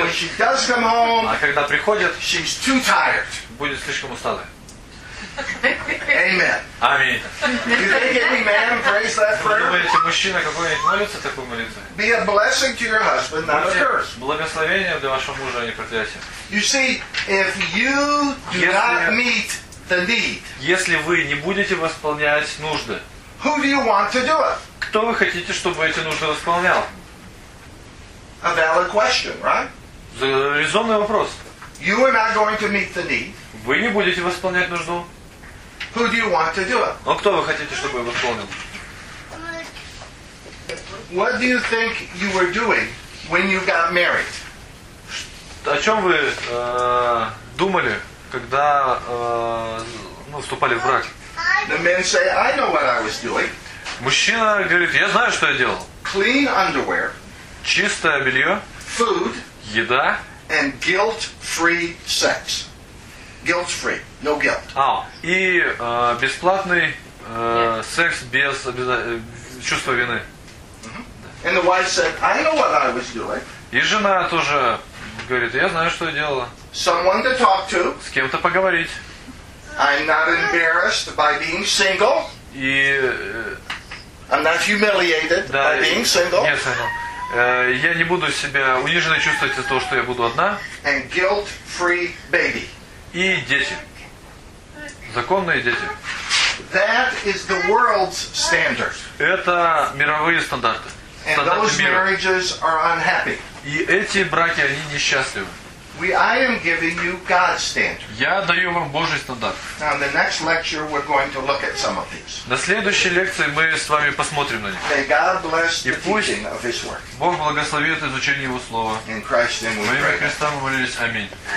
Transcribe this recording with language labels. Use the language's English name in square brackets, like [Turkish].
[English] And when she does come home, [Russian] а когда приходит, [English] she's too tired. [Russian] Будет слишком усталой. [English] Amen. Amen. Do you think any man prays that prayer? [Russian] Вы думаете, мужчина какой-нибудь молится такой молитвой? [English] Be a blessing to your husband, not a curse. [Russian] Благословение для вашего мужа, а не проклятие. [English] You see, if you do not meet the need, [Russian] если вы не будете восполнять нужды, [English] who do you want to do it? [Russian] Кто вы хотите, чтобы эти нужды восполнял? [English] A valid question, right? [Russian] Резонный вопрос. [English] You are not going to meet the need. [Russian] Вы не будете восполнять нужду. [English] Who do you want to do it? [Russian] Но кто вы хотите, чтобы я восполнил? [English] What do you think you were doing when you got married? [Russian] О чем вы думали, когда вступали в брак? [English] The men say, I know what I was doing. [Russian] Мужчина говорит, я знаю, что я делал. [English] Clean underwear. [Russian] Чистое белье. [English] Food. [Russian] Еда. [English] And guilt-free sex. Guilt-free, no guilt. [Russian] И бесплатный секс без чувства вины. Mm-hmm. [English] And the wife said, I know what I was doing. [Russian] И жена тоже говорит, я знаю, что я делала. [English] Someone to talk to. [Russian] С кем-то поговорить. [English] I'm not embarrassed by being single. [Russian] И [English] I'm not humiliated by being single. [Russian] Нет, single. Я не буду себя униженно чувствовать из-за того, что я буду одна. [English] And guilt-free baby. [Russian] И дети. Законные дети. [English] That is the world's standard. [Russian] Это мировые стандарты. [English] And those marriages are unhappy. [Russian] И эти браки, они несчастливы. [English] I am giving you God's standard. [Russian] Я даю вам Божий стандарт. [English] Now, the next lecture we're going to look at some of these. [Russian] На следующей лекции мы с вами посмотрим на них. [English] May God bless the teaching of His word. [Russian] Бог благословит изучение Его слова. [English] In Christ's name we pray. [Russian] Во имя Христа мы молились. Аминь.